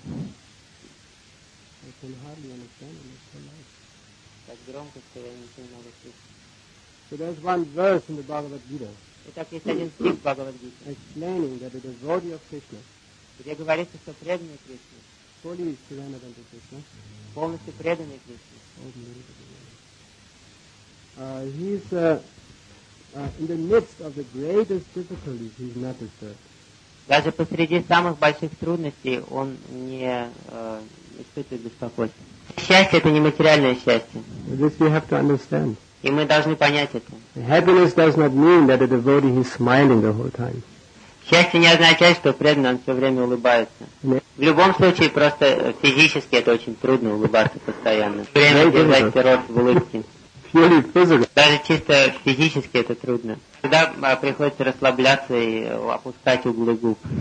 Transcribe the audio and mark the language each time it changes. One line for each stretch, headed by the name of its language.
English: I can hardly understand it. It's so loud.
Russian: Так громко, что я ничего не могу слышать.
English: So there's one verse in the Bhagavad Gita.
Russian: Итак, есть один стих в Бхагавад Гите.
English: Explaining that the devotee of Krishna.
Russian: Где говорится, что преданный Кришна.
English: Fully surrendered unto Krishna.
Russian: Полностью преданный Кришна.
English: He is in the midst of the greatest difficulties. He is not disturbed.
Russian: Даже посреди самых больших трудностей он не испытывает беспокойства. Счастье — это не материальное счастье.
English: This we have to understand.
Russian: И мы должны понять это.
English: Happiness does not mean that a devotee is smiling the whole time.
Russian: Счастье не означает, что преданный он все время улыбается. В любом случае, просто физически это очень трудно улыбаться постоянно. Время держать рот в улыбке. Даже чисто физически это трудно. Тогда приходится расслабляться и опускать углы губ.